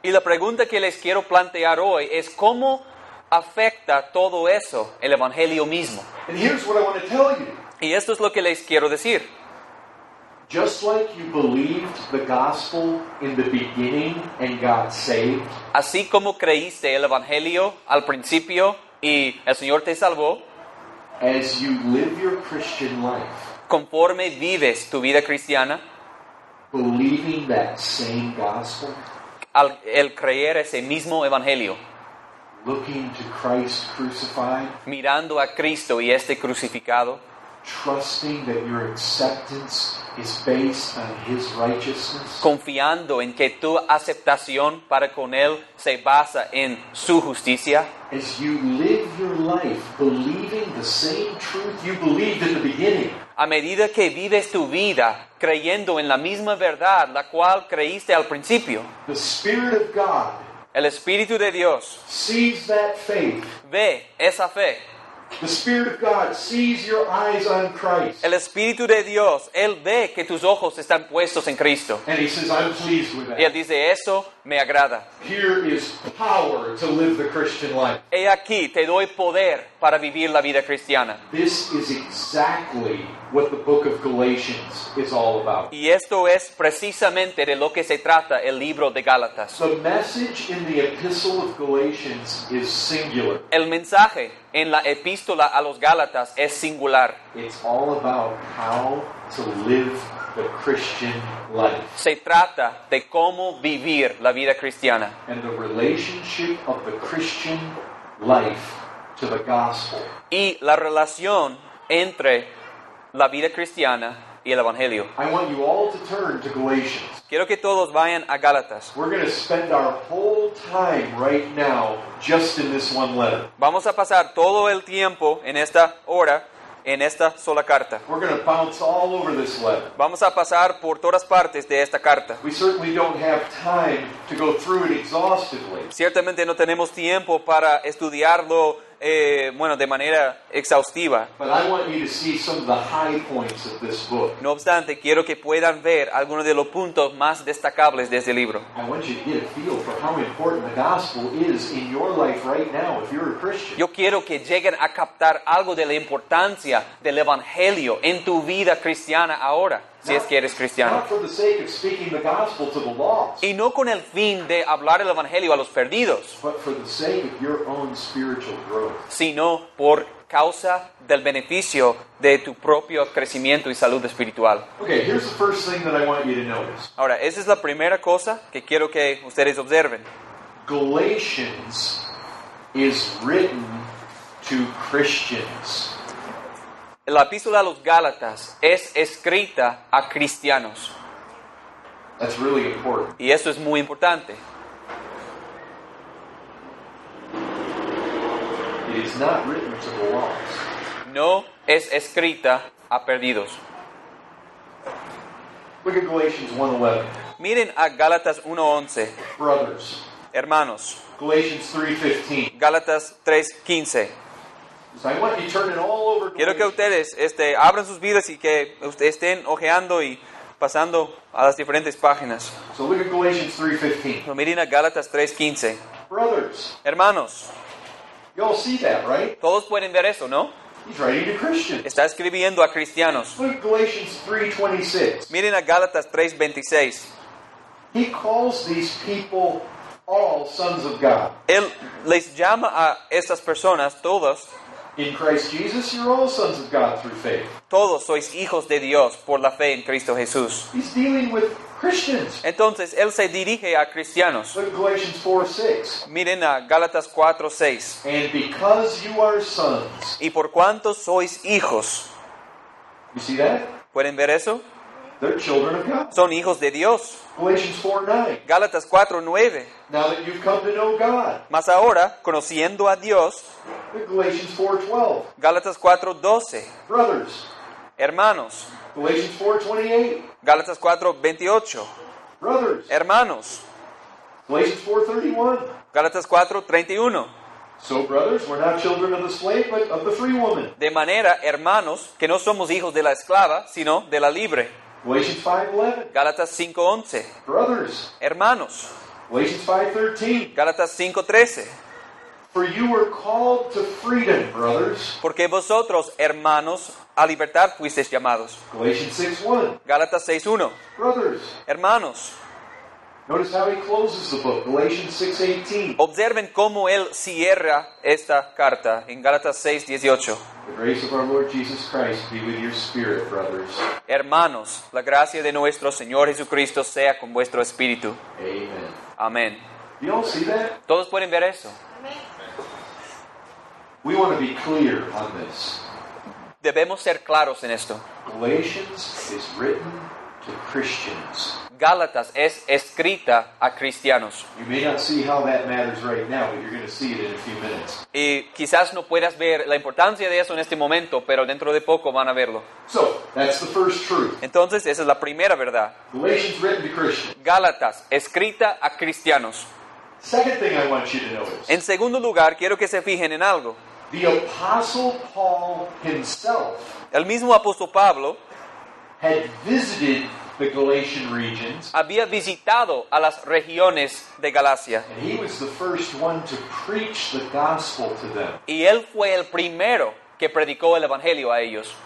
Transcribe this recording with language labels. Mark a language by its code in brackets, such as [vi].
[es] Y la pregunta que les quiero plantear hoy es, ¿cómo afecta todo eso el evangelio mismo? [en] And here's what I want to tell you. [es] Y esto es lo que les quiero decir. [en] Just like you believed the gospel in the beginning and got saved. [es] Así como creíste el evangelio al principio y el Señor te salvó. [en] As you live your Christian life. [es] Conforme vives tu vida cristiana. [en] Believing that same gospel. [es] Al creer ese mismo evangelio. [en] Looking to Christ crucified. [es] Mirando a Cristo y este crucificado. [en] Trusting that your acceptance is based on his righteousness. [es] Confiando en que tu aceptación para con él se basa en su justicia. [en] As you live your life believing the same truth you believed in the beginning. [es] A medida que vives tu vida creyendo en la misma verdad la cual creíste al principio. [en] The Spirit of God. [es] El Espíritu de Dios. [en] Sees that faith. [es] Ve esa fe. [en] The Spirit of God sees your eyes on Christ. [es] El Espíritu de Dios, él ve que tus ojos están puestos en Cristo. [en] And he says, I'm pleased with that. [es] Y él dice, eso me agrada. [en] Here is power to live the Christian life. [es] He aquí, te doy poder para vivir la vida cristiana. [en] This is exactly what the book of Galatians is all about. [es] Y esto es precisamente de lo que se trata el libro de Gálatas. [en] The message in the epistle of Galatians is singular. [es] El mensaje en la epístola a los Gálatas es singular. [en] It's all about how to live the Christian life. [es] Se trata de cómo vivir la vida cristiana. [en] And the relationship of the Christian life to the gospel. [es] Y la relación entre la vida cristiana y el evangelio. [en] I want you all to turn to Galatians. [es] Quiero que todos vayan a Gálatas. [en] We're going to spend our whole time right now just in this one letter. [es] Vamos a pasar todo el tiempo en esta hora en esta sola carta. [en] We're going to bounce all over this letter. [es] Vamos a pasar por todas partes de esta carta. [en] We certainly don't have time to go through it exhaustively. [es] Ciertamente no tenemos tiempo para estudiarlo de manera exhaustiva. [en] But I want you to see some of the high points of this book. [es] No obstante, quiero que puedan ver algunos de los puntos más destacables de este libro. [en] I want you to get a feel for how important the gospel is in your life right now if you're a Christian. [es] Yo quiero que lleguen a captar algo de la importancia del evangelio en tu vida cristiana ahora. Si es que eres cristiano. [en] Not for the sake of speaking the gospel to the lost. [es] Y no con el fin de hablar el evangelio a los perdidos. [en] But for the sake of your own spiritual growth. [es] Sino por causa del beneficio de tu propio crecimiento y salud espiritual. [en] Okay, here's the first thing that I want you to notice. [es] Ahora, esa es la primera cosa que quiero que ustedes observen. [en] Galatians is written to Christians. [es] La epístola a los Gálatas es escrita a cristianos. [en] That's really important. [es] Y eso es muy importante. [en] It is not written to the lost. [es] No es escrita a perdidos. [en] Look at Galatians 1:11. [es] Miren a Gálatas 1:11. [en] Brothers. [es] Hermanos. [en] Galatians 3:15. [es] Gálatas 3:15. [en] So I want you turning all over. [es] Quiero que ustedes abran sus vidas y que ustedes estén ojeando y pasando a las diferentes páginas. [en] So look at Galatians 3:15. [es] Miren a Gálatas 3:15. [en] Brothers. [es] Hermanos. [en] You all see that, right? [es] Todos pueden ver eso, ¿no? [en] He's writing to Christians. [es] Está escribiendo a cristianos. [en] Look at Galatians 3:26. [es] Miren a Gálatas 3:26. [en] He calls these people all sons of God. [es] Él les llama a estas personas todos. [en] In Christ Jesus, you're all sons of God through faith. [es] Todos sois hijos de Dios por la fe en Cristo Jesús. [en] He's dealing with Christians. [es] Entonces, él se dirige a cristianos. [en] Look at Galatians 4:6. [es] Miren a Gálatas 4:6. [en] And because you are sons. [es] Y por cuanto sois hijos. [en] You see that? [es] ¿Pueden ver eso? [en] They're children of God. [es] Son hijos de Dios. [en] Galatians 4:9. [es] Gálatas 4:9. [en] Now that you've come to know God. [es] Mas ahora, conociendo a Dios. [en] Galatians 4:12. [es] Gálatas 4:12. [en] Brothers. [es] Hermanos. [en] Galatians 4:28. [es] Gálatas 4:28. [en] Brothers. [es] Hermanos. [en] Galatians 4:31. [es] Gálatas 4:31. [en] So brothers, we're not children of the slave, but of the free woman. [es] De manera, hermanos, que no somos hijos de la esclava, sino de la libre. [en] Galatians 5:11. [es] Gálatas 5:11. [en] Brothers. [es] Hermanos. [en] Galatians 5:13. [es] Gálatas 5:13. [en] For you were called to freedom, brothers. [es] Porque vosotros, hermanos, a libertad fuisteis llamados. [en] Galatians 6:1. [es] Gálatas 6:1. [en] Brothers. [es] Hermanos. [en] Notice how he closes the book, Galatians 6:18. [es] Observen cómo él cierra esta carta en Gálatas 6:18. [en] The grace of our Lord Jesus Christ be with your spirit, brothers. [es] Hermanos, la gracia de nuestro Señor Jesucristo sea con vuestro espíritu. [en] Amen. [es] Amén. [en] You all see that? [es] ¿Todos pueden ver eso? [en] Amen. We want to be clear on this. [es] Debemos ser claros en esto. [en] Galatians is written to Christians. [es] Gálatas es escrita a cristianos. [en] You may not see how that matters right now, but you're going to see it in a few minutes. [es] Y quizás no puedas ver la importancia de eso en este momento, pero dentro de poco van a verlo. [en] So, that's the first truth. [es] Entonces, esa es la primera verdad. [en] Galatians written to Christians. [es] Gálatas escrita a cristianos. [en] Second thing I want you to notice. [es] En segundo lugar, quiero que se fijen en algo. [en] The Apostle Paul himself. [es] El mismo apóstol Pablo [en] had visited the Galatian regions. [es] Había visitado a las regiones de Galacia. [en] And he was the first one to preach the gospel to them. [es] Y él fue el primero que predicó el evangelio a ellos.